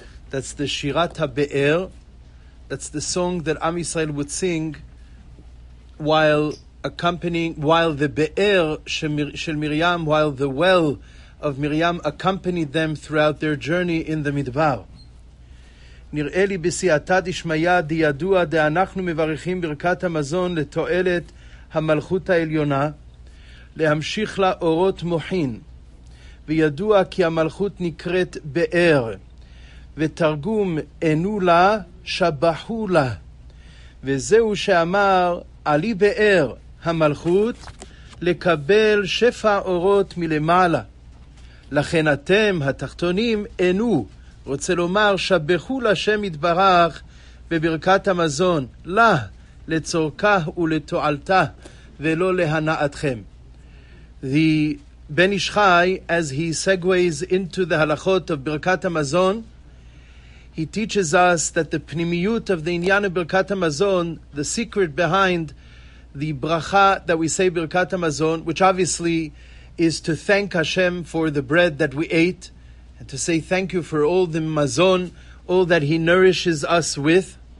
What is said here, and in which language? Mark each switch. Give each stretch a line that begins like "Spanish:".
English: That's the Shirat HaBe'er. That's the song that Am Yisrael would sing while accompanying, while the Be'er Shel Miriam, while the well of Miriam accompanied them throughout their journey in the Midbar.
Hebrew: נראה לי בסיעתא דשמיא דידוע דאנחנו מברכים ברכת המזון לתועלת המלכות העליונה להמשיך לה אורות מוחין וידוע כי המלכות נקראת באר ותרגום אינו לה שבחו לה וזהו שאמר עלי באר המלכות לקבל שפע אורות מלמעלה לכן אתם התחתונים אינו רוצה לומר שבחו לשם יתברך בברכת המזון לה לצורכה ולתועלתה ולא להנאתכם.
English: The Ben Ish Chai, as he segues into the halachot of ברכת המזון, he teaches us that the פנימיות of the עניין of ברכת המזון, the secret behind the ברכה that we say ברכת המזון, which obviously is to thank Hashem for the bread that we ate, to say thank you for all the mazon, all that he nourishes us with.